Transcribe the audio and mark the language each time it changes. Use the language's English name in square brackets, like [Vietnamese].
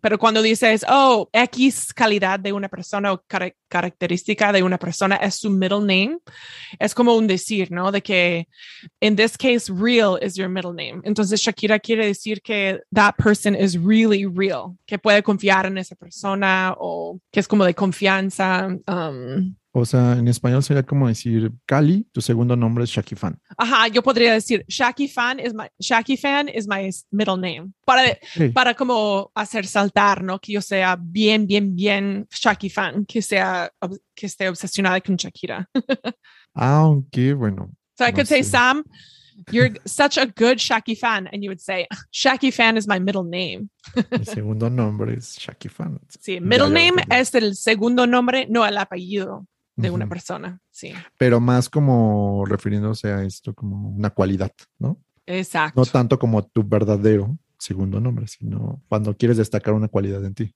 [Spanish] Pero cuando dices, oh, X calidad de una persona o característica de una persona es su middle name, es como un decir, ¿no? De que, [English] in this case, real is your middle name. [Spanish] Entonces, Shakira quiere decir que [English] that person is really real, [Spanish] que puede confiar en esa persona o que es como de confianza. O sea, en español sería como decir, Cali, tu segundo nombre es Shaki Fan. Ajá, yo podría decir, [English] Shaki Fan is my middle name. [Spanish] Para, okay. Para como hacer saltar, ¿no? Que yo sea bien, bien, bien Shaki Fan, que esté obsesionada con Shakira. Aunque, bueno. [English] So I [Spanish] no could sé. [English] Say, Sam, you're such a good Shaki Fan. And you would say, Shaki Fan is my middle name. [Spanish] Mi segundo nombre es Shaki Fan. Sí, middle name es el segundo nombre, no el apellido. De una persona, sí. Pero más como refiriéndose a esto como una cualidad, ¿no? Exacto. No tanto como tu verdadero segundo nombre, sino cuando quieres destacar una cualidad en ti.